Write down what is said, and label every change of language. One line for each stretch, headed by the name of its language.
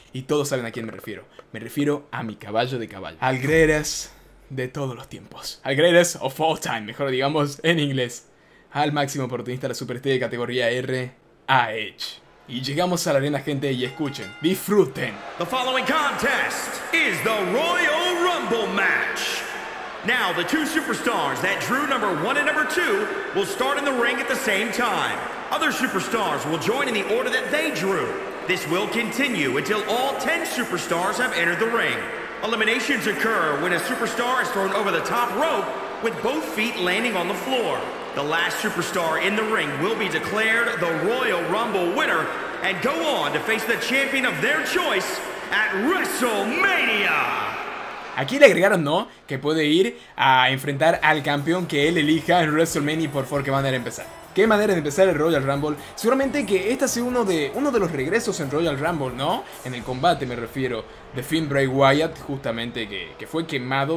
Spanish: Y todos saben a quién me refiero. Me refiero a mi caballo de caballo. Al greatest de todos los tiempos. Al
English: greatest of all time,
Spanish: mejor digamos en inglés. Al máximo oportunista de la superestrella de categoría R, a Edge. Y llegamos a la arena, gente, y escuchen, disfruten.
English: The following contest is the Royal Rumble match. Now, the two superstars that drew number one and number two will start in the ring at the same time. Other superstars will join in the order that they drew. This will continue until all 10 superstars have entered the ring. Eliminations occur when a superstar is thrown over the top rope with both feet landing on the floor. The last superstar in the ring will be declared the Royal Rumble winner and go on to face the champion of their choice at WrestleMania.
Spanish: Aquí le agregaron, ¿no?, que puede ir a enfrentar al campeón que él elija en WrestleMania, por favor, que van a empezar. ¿Qué manera de empezar el Royal Rumble? Seguramente que este ha sido uno de los regresos en Royal Rumble, ¿no? En el combate me refiero, de Finn Bray Wyatt, justamente, que fue quemado.